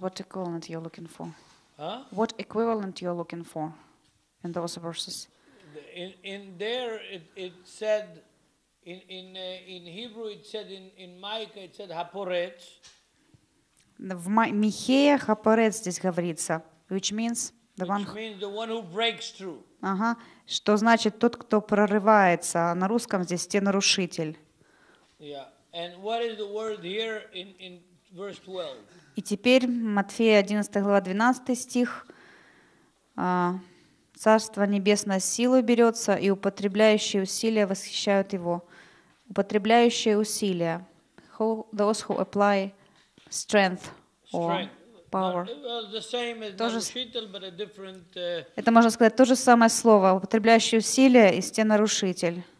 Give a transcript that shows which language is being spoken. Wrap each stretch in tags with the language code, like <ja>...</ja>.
<en>What equivalent you're looking for? Huh? What equivalent you're looking for in those verses? In there it said. In Hebrew it said in Micah it said haporetz.</en> <ru>В Михея хапорец здесь говорится,</ru> <en>which means the one who breaks through.</en> <ru>Ага. Что значит тот, кто прорывается? На русском здесь стенорушитель.</ru> <en>Yeah. And what is the word here in verse 12?</en> <ru>И теперь Матфея 11 глава 12 стих. Царство небесное силой берется, и употребляющие усилия восхищают его. Употребляющие усилия.</ru> <en>Those who apply strength or power.</en> <ru>Это можно сказать то же самое слово. Употребляющие усилия и стенорушитель.</ru>